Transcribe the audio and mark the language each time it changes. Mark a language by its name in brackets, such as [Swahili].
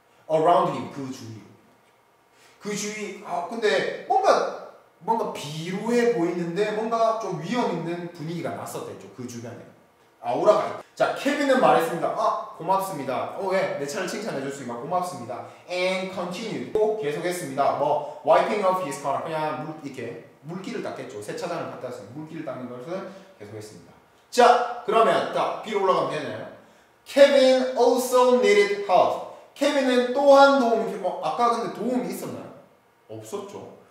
[English] around him [Korean] 그 주위 아 근데 뭔가 비루해 보이는데 뭔가 좀 위험 있는 분위기가 났었대죠. 그 주변에 아우라가 있다. 자, 케빈은 말했습니다. 아, 고맙습니다. 오, 예, 내 차를 칭찬해 줄 수 있나 고맙습니다. [English] And continued [Korean] 계속했습니다. [English] 뭐 wiping off his car [Korean] 그냥 물기를 닦겠죠. 세차장을 갔다 왔으니 물기를 닦는 것을 계속했습니다. 자, 그러면 딱 B로 올라가면 되나요? [English] Kevin also needed help. [Korean] 케빈은 또한 도움이 필요. 어, 아까 근데 도움이 있었나요? 없었죠.